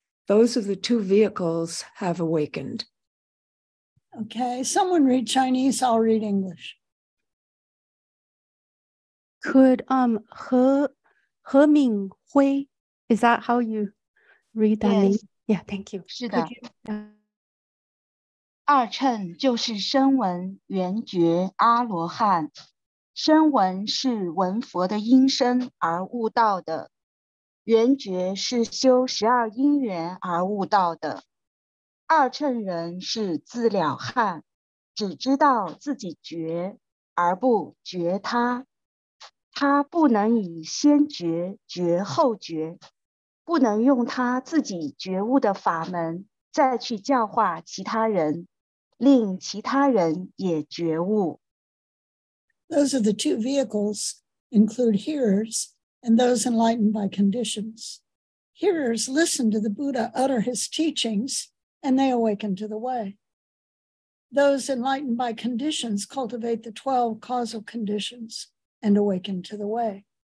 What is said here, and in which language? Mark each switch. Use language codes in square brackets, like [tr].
[en] Those of the two vehicles have awakened. Okay, someone read Chinese, I'll read English. Could He Ming Hui, is that how you read that name? Yeah, thank you. [zh] 是的。二乘就是声闻、缘觉、阿罗汉。声闻是闻佛的音声而悟道的，缘觉是修十二因缘而悟道的。二乘人是自了汉，只知道自己觉而不觉他，他不能以先觉觉后觉，不能用他自己觉悟的法门再去教化其他人，令其他人也觉悟。 [en] Those are the two vehicles include hearers and those enlightened by conditions. Hearers listen to the Buddha utter his teachings and they awaken to the way. Those enlightened by conditions cultivate the 12 causal conditions and awaken to the way.